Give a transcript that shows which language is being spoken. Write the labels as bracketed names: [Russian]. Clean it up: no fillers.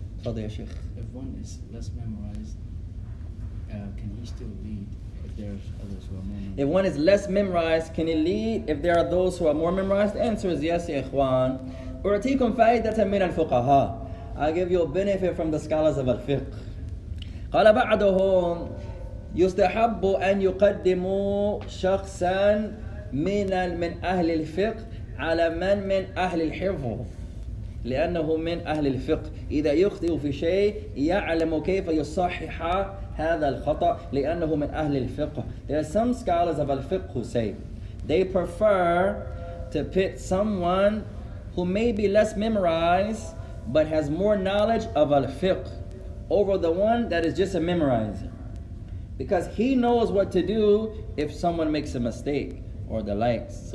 [English] If one is less memorized, can he still lead if there's others who are memorized? If one is less memorized, can he lead if there are those who are more memorized? The answer is yes, ya ikhwan. [Arabic] U'tikum fa'idatan min al-fuqaha. [English] I'll give you a benefit from the scholars of al-fiqh. [Arabic] Qala ba'duhum yustahabbu an yuqaddimu shakhsan min ahli al-fiqh على من من أهل الحفظ لأنه من أهل الفقه إذا يخطئ في شيء يعلم كيف يصحح هذا الخطأ لأنه من أهل الفقه. [English] There are some scholars of al-fiqh who say they prefer to pit someone who may be less memorized but has more knowledge of al-fiqh over the one that is just a memorizer, because he knows what to do if someone makes a mistake or the likes.